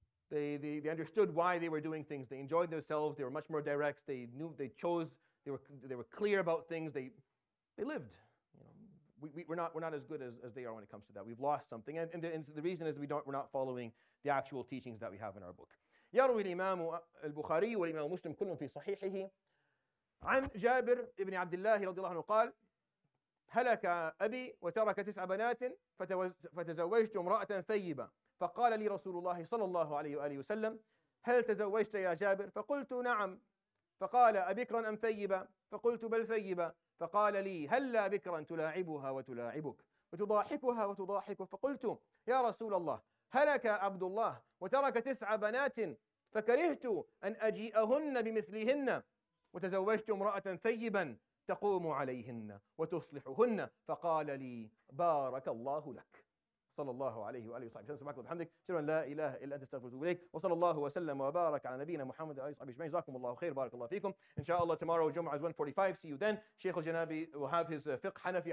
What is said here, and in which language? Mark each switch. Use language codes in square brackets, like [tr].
[en] They understood why they were doing things. They enjoyed themselves. They were much more direct. They knew. They chose. They were clear about things. They lived. You know, we're not as good as they are when it comes to that. We've lost something. And the reason is we're not following the actual teachings that we have in our book. [ar] يروي الإمام البخاري والإمام مسلم كلهم في صحيحه عن جابر بن عبد الله رضي الله عنه قال هلك أبي وترك 9 بنات فتزوجت امرأة ثيبة. فقال لي رسول الله صلى الله عليه وآله وسلم هل تزوجت يا جابر؟ فقلت نعم. فقال أبكرا أم ثيبا؟ فقلت بل ثيبا. فقال لي هلا بكرا تلاعبها وتلاعبك وتضاحكها وتضاحك؟ فقلت يا رسول الله هلك عبد الله وترك 9 بنات فكرهت أن أجيئهن بمثلهن وتزوجت امرأة ثيبا تقوم عليهن وتصلحهن. فقال لي بارك الله لك. صلى الله عليه وآله وصحبه وسلم. سبحانك وبحمدك اشهد ان لا اله الا انت استغفرك واتوب اليك. وصلى الله وسلم وبارك على نبينا محمد وعلى اله وصحبه اجمعين. جزاكم الله خير, بارك الله فيكم. ان شاء الله [en] tomorrow Jumu'ah is 1:45. See you then. Sheikh al-Janabi will have his fiqh Hanafi.